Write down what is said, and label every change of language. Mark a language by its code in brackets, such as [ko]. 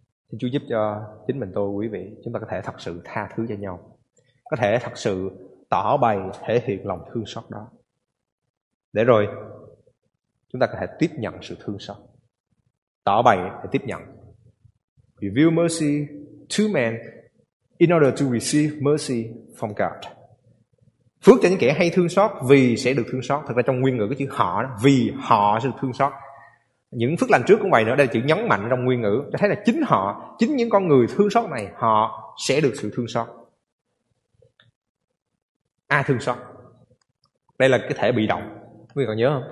[vi] Xin Chúa giúp cho chính mình tôi, quý vị, chúng ta có thể thật sự tha thứ cho nhau, có thể thật sự tỏ bày thể hiện lòng thương xót đó, để rồi chúng ta có thể tiếp nhận sự thương xót, tỏ bày để tiếp nhận. [en] Reveal mercy to man in order to receive mercy from God. [vi] Phước cho những kẻ hay thương xót vì sẽ được thương xót. Thật ra trong nguyên ngữ cái chữ họ đó, vì họ sẽ được thương xót. Những phước lành trước cũng vậy nữa, đây là chữ nhấn mạnh trong nguyên ngữ, cho thấy là chính họ, chính những con người thương xót này, họ sẽ được sự thương xót. Ai thương xót? Đây là cái thể bị động. Quý vị còn nhớ không?